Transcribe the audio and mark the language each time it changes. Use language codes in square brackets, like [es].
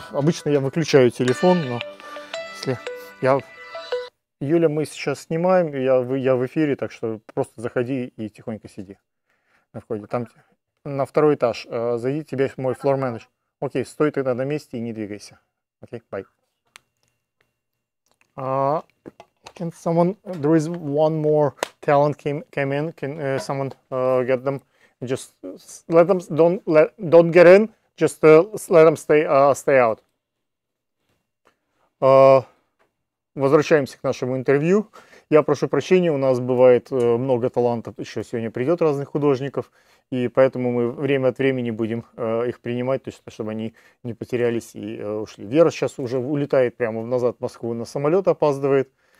[ru] Обычно я выключаю телефон, но если я... Юля, мы сейчас снимаем, я в эфире, так что просто заходи и тихонько сиди на входе. Там на второй этаж. Зайди, тебе мой флор-менедж. Окей, стой тогда на месте и не двигайся. Окей, бай. [en] Can someone, there is one more talent came in, can someone get them, just let them, don't get in, just let them stay out. [ru] Возвращаемся к нашему интервью. Я прошу прощения, у нас бывает много талантов, еще сегодня придет разных художников, и поэтому мы время от времени будем их принимать, то есть, чтобы они не потерялись и ушли. Вера сейчас уже улетает прямо назад в Москву на самолет, опаздывает.